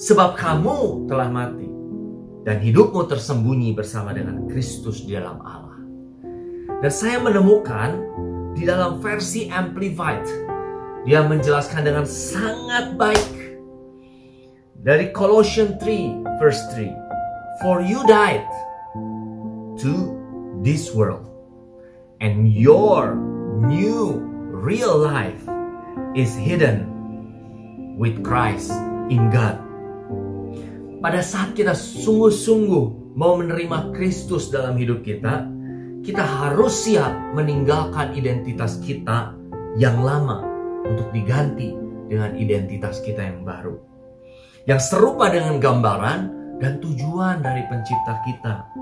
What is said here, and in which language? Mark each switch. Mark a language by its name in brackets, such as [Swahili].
[Indonesian] Sebab kamu telah mati dan hidupmu tersembunyi bersama dengan Kristus di dalam Allah. Dan saya menemukan di dalam versi Amplified, dia menjelaskan dengan sangat baik dari Colossians 3 verse 3. [English] For you died to this world and your new real life is hidden with Christ in God. [Indonesian] pada saat kita sungguh-sungguh mau menerima Kristus dalam hidup kita, kita harus siap meninggalkan identitas kita yang lama untuk diganti dengan identitas kita yang baru, yang serupa dengan gambaran dan tujuan dari pencipta kita.